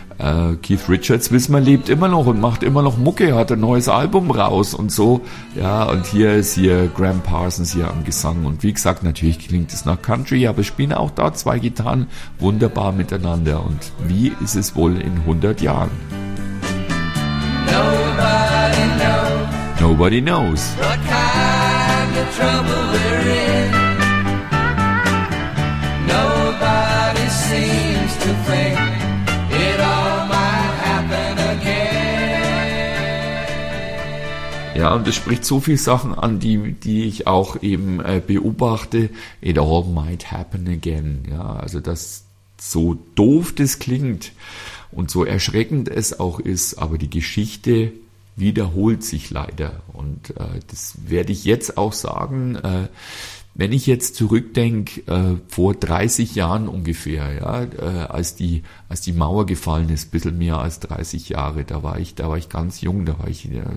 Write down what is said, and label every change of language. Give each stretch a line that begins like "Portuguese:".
German: Keith Richards, wissen wir, lebt immer noch und macht immer noch Mucke, hat ein neues Album raus und so. Ja, und hier ist hier Graham Parsons hier am Gesang. Und wie gesagt, natürlich klingt es nach Country, aber spielen auch da zwei Gitarren wunderbar miteinander. Und wie ist es wohl in 100 Jahren?
English: Nobody knows. Nobody knows. What kind of trouble we're in. Nobody seems to think.
German: Ja, und es spricht so viele Sachen an, die ich auch eben beobachte.
English: It all might happen again.
German: Ja, also das, so doof das klingt und so erschreckend es auch ist, aber die Geschichte wiederholt sich leider. Und das werde ich jetzt auch sagen, wenn ich jetzt zurückdenke, vor 30 Jahren ungefähr, ja, als die Mauer gefallen ist, ein bisschen mehr als 30 Jahre, da war ich ganz jung, da war ich